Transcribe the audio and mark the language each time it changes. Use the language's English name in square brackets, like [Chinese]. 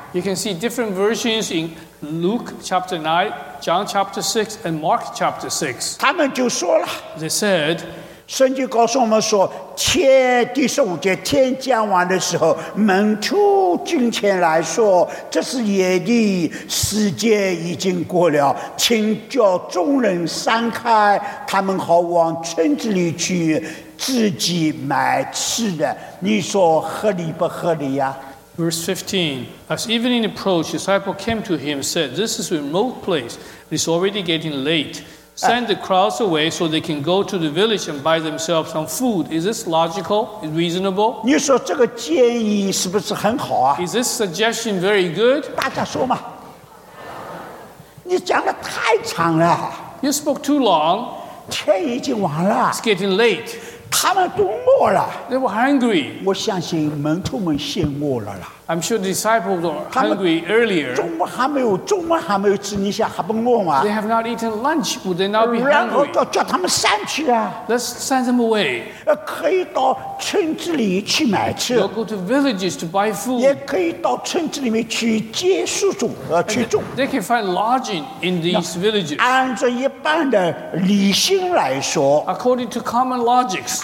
[English] You can see different versions in Luke chapter 9, John chapter 6, and Mark chapter 6. [Chinese] 他们就说了。 [English] They said, [Chinese] 圣经告诉我们说，天第十五节天将晚的时候，门徒进前来说，这是耶利米时间已经过了，请叫众人散开，他们好往村子里去自己买吃的。你说合理不合理呀？ [English] Verse 15, as evening approached, disciples came to him and said, This is a remote place, it is already getting late. Send the crowds away so they can go to the village and buy themselves some food. Is this logical? Is it reasonable? [Chinese] 你说这个建议是不是很好啊? [English] Is this suggestion very good? [Chinese] 大家说嘛。你讲得太长了。 [English] You spoke too long. [Chinese] 天已经晚了。 [English] It's getting late. [Chinese] 他们都饿了 [English] They were hungry. [Chinese] 我相信门徒们先饿了啦。 [English] I'm sure the disciples were hungry earlier. [Chinese] 中午还没有吃，你想还不饿吗？ [English] They have not eaten lunch. Would they not be hungry? [Chinese] 然后叫他们散去啊。 [English] Let's send them away. [Chinese] 可以到村子里去买吃。 [English] They'll go to villages to buy food. [Chinese] 也可以到村子里面去接宿种，去种。 [English] They can find lodging in these villages. [Chinese] 按照一般的理性来说。 [English] According to common logics.